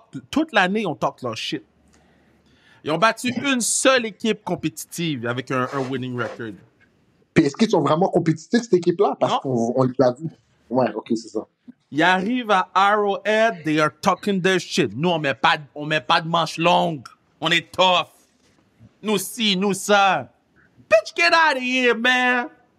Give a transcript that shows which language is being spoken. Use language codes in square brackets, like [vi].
[fr] Toute l'année, ils ont talk leur shit. Ils ont battu une seule équipe compétitive avec un winning record. Puis est-ce qu'ils sont vraiment compétitifs, cette équipe-là? Parce qu'on les a vus. Ouais, OK, c'est ça. Ils arrivent à Arrowhead, [en] they are talking their shit. [fr] Nous, on met pas de manches longues. On est tough. Nous si, nous ça. [en] Bitch, get out of here, man.